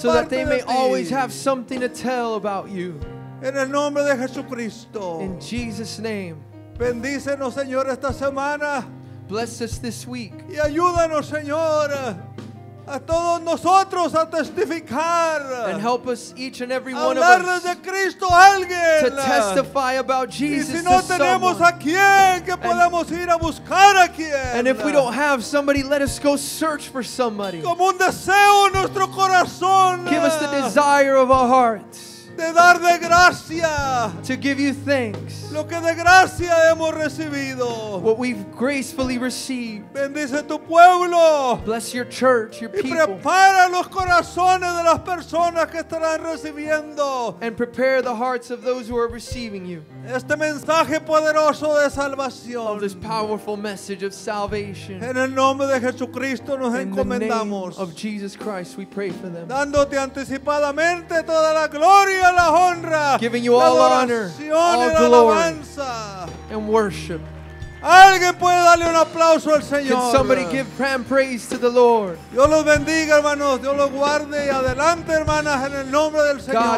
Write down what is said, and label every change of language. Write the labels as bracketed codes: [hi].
[en] So that they may always have something to tell about you. [es] En el nombre de Jesucristo. [en] In Jesus' name. [es] Bendícenos, Señor, esta semana. [en] Bless us this week. [es] Y ayúdanos, Señor, a todos nosotros a testificar. [en] And help us, each and every one of us. [es] Hablarles de Cristo a alguien. [en] To testify about Jesus to someone. [es] Y si no tenemos a quién, que podamos ir a buscar a quién. [en] And if we don't have somebody, let us go search for somebody. [es] Como un deseo en nuestro corazón. [en] Give us the desire of our hearts. [es] De dar de gracia. [en] To give you thanks. [es] Lo que de gracia hemos recibido. [en] What we've gracefully received. [es] Bendice tu pueblo. [en] Bless your church, your y people. [es] Y prepara los corazones de las personas que estarán recibiendo. [en] And prepare the hearts of those who are receiving you. [es] Este mensaje poderoso de salvación. [en] Of this powerful message of salvation. [es] En el nombre de Jesucristo nos encomendamos. [en] In the name of Jesus Christ, we pray for them. [es] Dándote anticipadamente toda la gloria. [en] Giving you all honor, all glory, and worship. [es] Alguien puede darle un aplauso al Señor. [en] Can somebody give praise to the Lord? [es] Dios los bendiga, hermanos. Dios los guarde y adelante, hermanas, en el nombre del Señor.